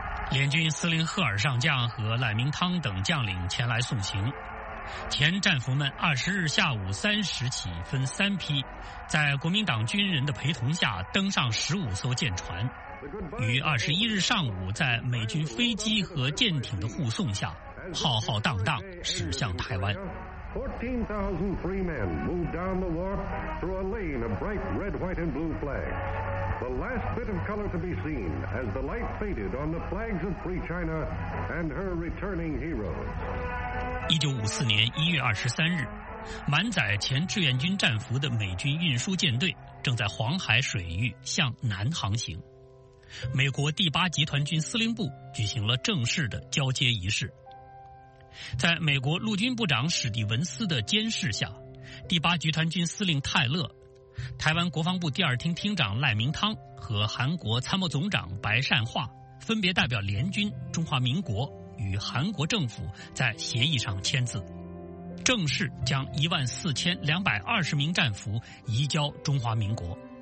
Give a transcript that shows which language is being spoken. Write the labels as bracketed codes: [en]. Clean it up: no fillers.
[zh] 联军司令赫尔上将和赖明汤等将领前来送行，前战俘们20日下午3时起分3批，在国民党军人的陪同下登上15艘舰船，于21日上午在美军飞机和舰艇的护送下，浩浩荡荡驶向台湾。 [en] 14,000 free men moved down the wharf through a lane of bright red, white, and blue flags. The last bit of color to be seen as the light faded on the flags of free China and her returning heroes. [zh] 1954年1月23日，满载前志愿军战俘的美军运输舰队正在黄海水域向南航行。美国第八集团军司令部举行了正式的交接仪式。在美国陆军部长史蒂文斯的监视下，第八集团军司令泰勒、台湾国防部第二厅厅长赖明汤和韩国参谋总长白善化分别代表联军、中华民国与韩国政府在协议上签字，正式将14220名战俘移交中华民国。